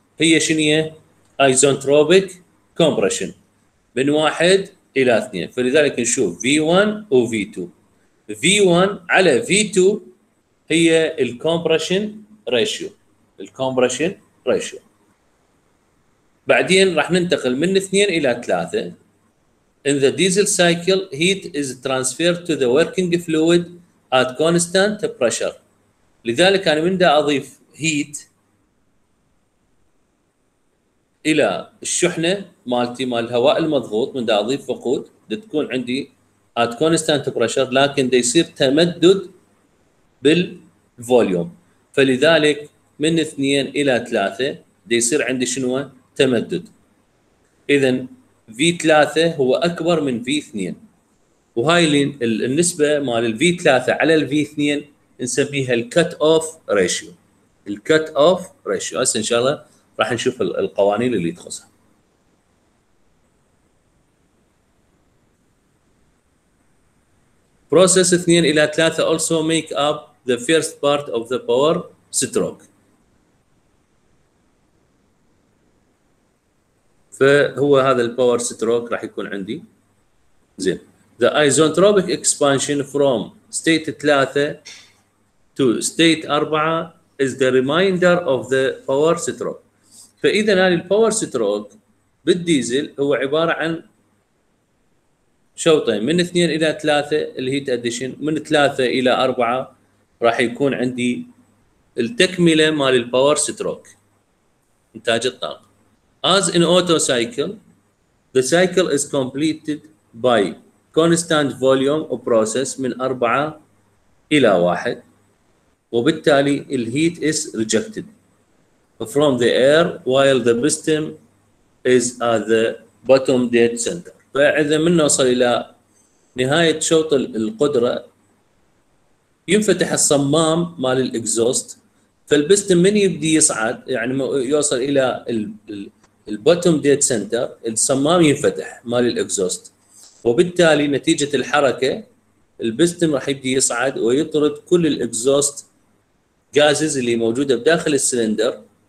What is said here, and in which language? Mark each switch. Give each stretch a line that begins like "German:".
Arabic: هي شنو هي؟ ايزونتروبيك كومبريشن من واحد الى اثنين. فلذلك نشوف V1 و V2. V1 على V2 هي الكومبريشن ريشيو. الكومبريشن ريشيو بعدين راح ننتقل من اثنين الى ثلاثه.
English: In the diesel cycle, heat is transferred to the working fluid at constant pressure.
Arabic: لذلك أنا من دا أضيف heat إلى الشحنة مالتي مال الهواء المضغوط من دا أضيف وقود لتكون عندي
English: at constant pressure
Arabic: لكن دا يصير تمدد بالفوليوم. فلذلك من اثنين إلى ثلاثة دا يصير عندي شنو؟ تمدد. إذن V3 هو أكبر من V2 وهاي النسبة مال V3 على V2 نسميها cut-off ratio. cut-off ratio هسه إن شاء الله راح نشوف القوانين اللي تخصها.
English: process 2 إلى 3 also make up the first part of the power stroke.
Arabic: فهو هذا الباور ستروك راح يكون عندي.
English: زين the isentropic expansion from state 3 to state 4 is the remainder of the power stroke.
Arabic: فاذا هذا الباور ستروك بالديزل هو عباره عن شوطين من 2 الى 3 الهيت اديشن، من 3 الى 4 راح يكون عندي التكمله مال الباور ستروك انتاج الطاقه.
English: As in auto cycle, the cycle is completed by constant volume of process
Arabic: من 4 إلى 1 وبالتالي
English: the heat is rejected from the air while the piston is at the bottom dead center.
Arabic: فإذا من نوصل إلى نهاية شوط القدرة ينفتح الصمام مال الإكزوست فالبستم من يبدي يصعد يعني يوصل إلى البوتوم ديد سنتر الصمام ينفتح مال الاكزوست وبالتالي نتيجة الحركة البستم راح يبدي يصعد ويطرد كل الاكزوست غازز اللي موجودة بداخل السلندر